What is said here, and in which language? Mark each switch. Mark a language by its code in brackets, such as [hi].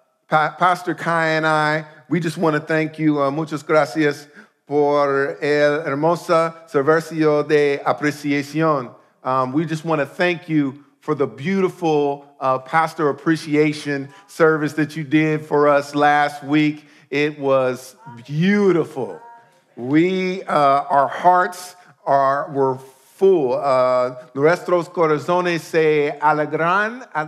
[en] Pastor Kai and I, we just want to thank you. [es] Muchas gracias por el hermoso servicio de apreciación. [en] We just want to thank you for the beautiful pastor appreciation service that you did for us last week. It was beautiful. Our hearts were full. [es] Nuestros corazones se alegran.